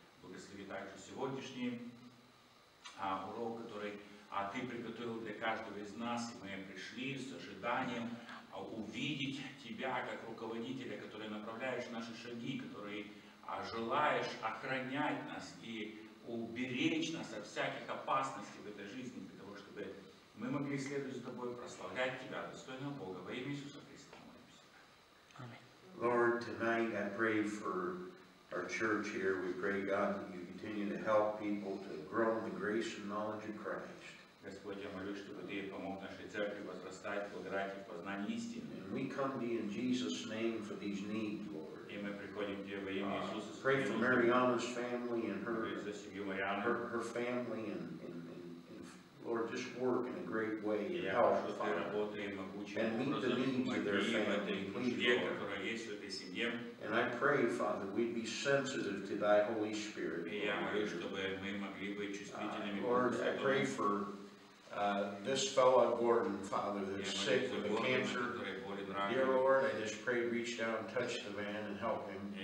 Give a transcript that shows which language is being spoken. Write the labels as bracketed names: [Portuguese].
[Russian] Благослови также сегодняшний урок, который ты приготовил для каждого из нас, и мы пришли с ожиданием увидеть тебя как руководителя, который направляешь наши шаги, который желаешь охранять нас и уберечь нас от всяких опасностей в этой жизни, для того, чтобы мы могли следовать за тобой, прославлять тебя, достойного Бога. Во имя Иисуса Христа молимся. Аминь. [English] Lord, tonight I pray for our church here. We pray, God, that you continue to help people to grow in the grace and knowledge of Christ. [Russian] Господь, я молюсь, чтобы Ты помог нашей церкви возрастать в благодати и в познании истины. [English] And we come to you in Jesus' name for these needs, Lord. [Russian] И мы приходим к Тебе во имя Иисуса. [English] Pray for Mariana's family and her, [Russian] за семью Марианы, [English] her family and Lord, just work in a great way. [Russian] Я прошу, Ты работай могучим образом. [English] And meet the needs of their family, please, Lord. [Russian] Которая есть в этой семье. [English] And I pray, Father, we'd be sensitive to Thy Holy Spirit. [Russian] И я молюсь, чтобы мы могли быть чувствительными. [English] Lord, I pray for this fellow Gordon, Father, that's sick with cancer, dear Lord, I just pray, reach down and touch the man and help him.